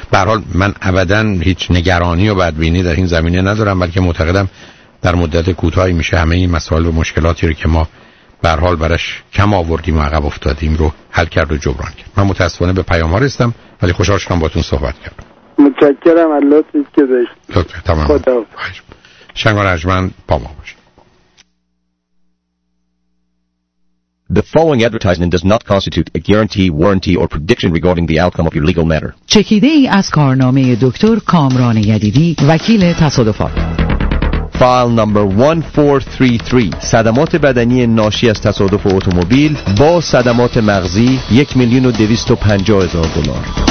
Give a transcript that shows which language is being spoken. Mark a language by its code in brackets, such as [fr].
[fa] به هر حال من ابدا هیچ نگرانی و بدبینی در این زمینه ندارم، بلکه معتقدم در مدت کوتاهی میشه همه این مسائل و مشکلاتی رو که ما به هر حال براش کم آوردیم و عقب افتادیم رو حل کرد و جبران کرد. من متاسفانه به پیام ها رسیدم، ولی خوشحال شدم باهاتون صحبت کردم. متشکرم از لطفی که داشتید. لطفه تمام. خداحافظ. شنگون ارجمند با ما باشید. [en] The following advertisement does not constitute a guarantee, warranty, or prediction regarding the outcome of your legal matter. [fa] چکیده ای از کارنامه دکتر کامران یدیدی، وکیل تصادفات. فایل نمبر 1433، صدمات بدنی ناشی از تصادف اتومبیل با صدمات مغزی 1,250,000 دلار.